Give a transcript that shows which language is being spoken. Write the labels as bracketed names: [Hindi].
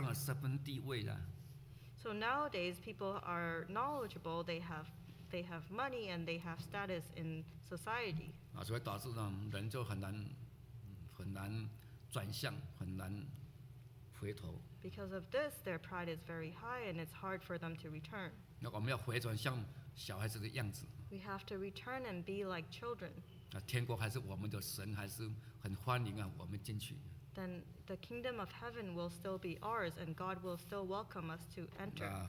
[Chinese] 有学问啊，钱财啊，有社会上的身份地位啊。 [English] So nowadays people are knowledgeable. They have money and they have status in society. [Chinese] 所以导致呢，人就很难转向，很难回头。 [English] Because of this, their pride is very high, and it's hard for them to return. [Chinese] 那我们要回转像小孩子的样子。 [English] We have to return and be like children. [Chinese] 天国还是我们的神，还是很欢迎我们进去。 [English] Then the kingdom of heaven will still be ours, and God will still welcome us to enter.